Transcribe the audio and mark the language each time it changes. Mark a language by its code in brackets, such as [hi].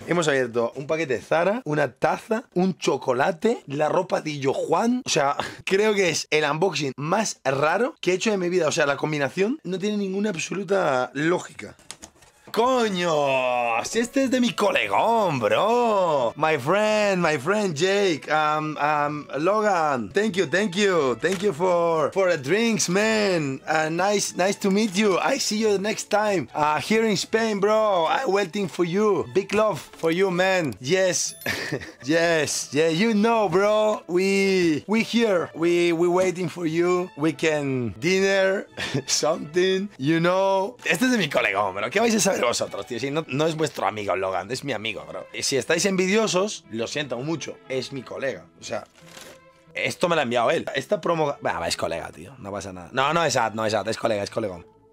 [es] Hemos abierto un paquete de Zara, una taza, un chocolate, la ropa de Yo Juan. O sea, creo que es el unboxing más raro que he hecho en mi vida. O sea, la combinación no tiene ninguna absoluta lógica. ¡Coño! ¡Si este es de mi colegón, bro! [en] My friend Jake, Logan, thank you for the drinks, man. Nice to meet you. I see you the next time. Here in Spain, bro. I'm waiting for you. Big love for you, man. Yes. Yes. Yeah, you know, bro. We here. We waiting for you. We can dinner something, you know. [es] Este es de mi colegón, bro. ¿Qué vais a saber vosotros? Otros, tío. Si no es vuestro amigo Logan, es mi amigo, bro. Y si estáis envidiosos, lo siento mucho, es mi colega. O sea, esto me lo ha enviado él. Esta promo... Bueno, es colega, tío, no pasa nada. No, no es ad, es colega, es colegón.